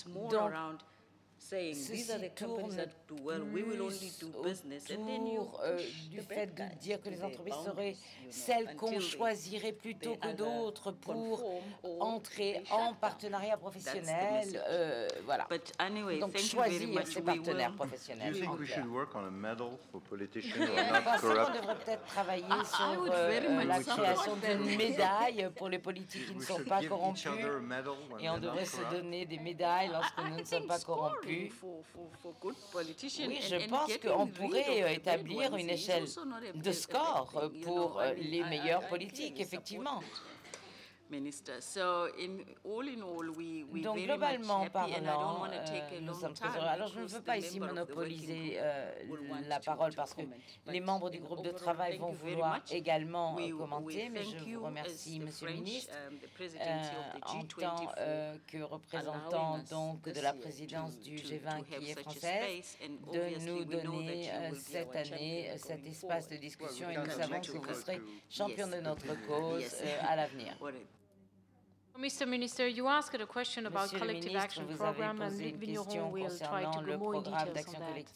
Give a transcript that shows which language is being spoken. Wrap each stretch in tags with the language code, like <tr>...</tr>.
<fr>Donc, ceci tourne plus autour du fait de dire que les entreprises seraient celles qu'on choisirait plutôt que d'autres pour entrer en partenariat professionnel. Voilà. Donc choisir ses partenaires professionnels.</fr> <en>Do you think we should work on a medal for politicians who are not corrupt?</en> <fr>On devrait peut-être travailler sur la création d'une médaille pour les politiques qui ne sont pas corrompus. Et on devrait se donner des médailles lorsque nous ne sommes pas corrompus. Oui, je pense qu'on pourrait établir une échelle de score pour les meilleurs politiques, effectivement. Donc, globalement parlant, nous sommes très heureux. Alors, je ne veux pas ici monopoliser la parole parce que les membres du groupe de travail vont vouloir également commenter, mais je vous remercie, Monsieur le Ministre, en tant que représentant donc de la présidence du G20 qui est française, de nous donner cette année cet espace de discussion et nous savons que vous serez champion de notre cause à l'avenir.</fr> <en>Mr. Minister, you asked a question about collective action program, and Luc Vigneron will try to go more in details on that.</en>